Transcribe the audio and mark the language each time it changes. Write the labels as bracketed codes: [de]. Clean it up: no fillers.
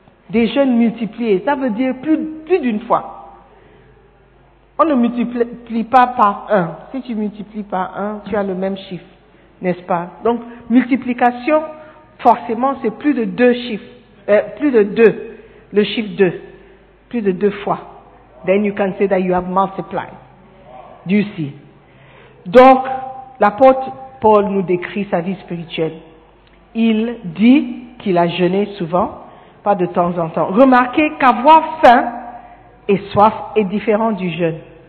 [fr] Des jeunes multipliés, ça veut dire plus d'une fois. On ne multiplie pas par un. Si tu multiplies par un, tu as le même chiffre. N'est-ce pas? Donc, multiplication, forcément, c'est plus de deux chiffres. Le chiffre deux. Plus de deux fois. [en] Then you can say that you have multiplied. Do you see? [fr] Donc, l'apôtre Paul nous décrit sa vie spirituelle. Il dit qu'il a jeûné souvent, pas de temps en temps. Remarquez qu'avoir faim et soif est différent du jeûne.